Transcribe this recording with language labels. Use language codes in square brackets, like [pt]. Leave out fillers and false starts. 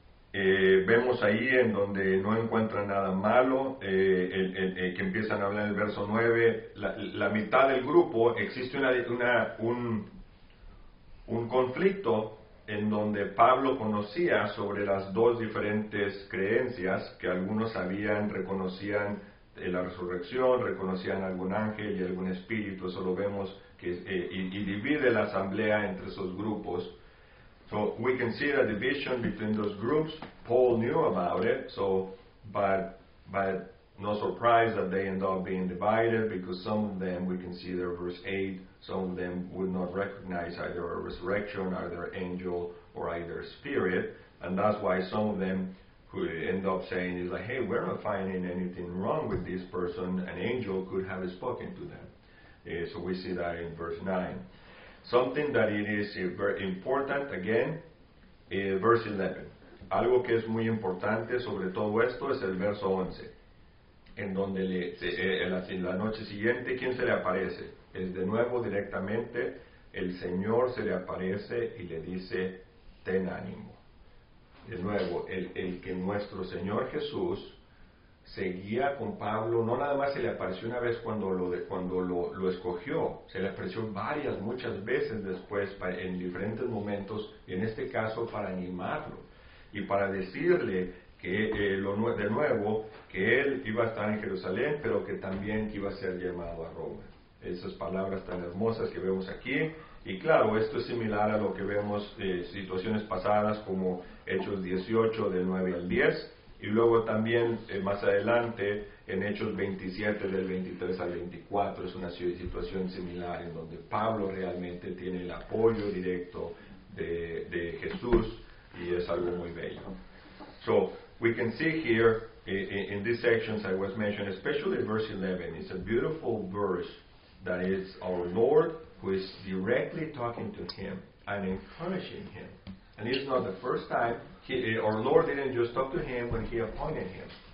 [es] Vemos ahí en donde no encuentran nada malo, que empiezan a hablar en el verso 9, la mitad del grupo, existe un conflicto en donde Pablo conocía sobre las dos diferentes creencias que algunos sabían, reconocían la resurrección, reconocían algún ángel y algún espíritu. Eso lo vemos que, y divide la asamblea entre esos grupos. [en] So we can see the division between those groups. Paul knew about it, so but no surprise that they end up being divided, because some of them, we can see there, verse 8, some of them would not recognize either a resurrection, either angel, or either spirit, and that's why some of them who end up saying is like, hey, we're not finding anything wrong with this person, an angel could have spoken to them. So we see that in verse 9. Something that it is very important, again, verse 11. [es] Algo que es muy importante sobre todo esto es el verso 11, en donde la noche siguiente, ¿quién se le aparece? Es de nuevo directamente el Señor se le aparece y le dice, ten ánimo. De nuevo, el que nuestro Señor Jesús seguía con Pablo, no nada más se le apareció una vez cuando lo escogió, se le apareció varias, muchas veces después, en diferentes momentos, y en este caso para animarlo. Y para decirle que que él iba a estar en Jerusalén, pero que también iba a ser llamado a Roma. Esas palabras tan hermosas que vemos aquí. Y claro, esto es similar a lo que vemos en situaciones pasadas como Hechos 18, del 9 al 10. Y luego también más adelante en Hechos 27, del 23 al 24. Es una situación similar en donde Pablo realmente tiene el apoyo directo de Jesús. Y es algo muy bello. [en] So, we can see here, in these sections I was mentioning, especially verse 11, it's a beautiful verse that is our Lord who is directly talking to him and encouraging him. And it's not the first time. Our Lord didn't just talk to him when he appointed him.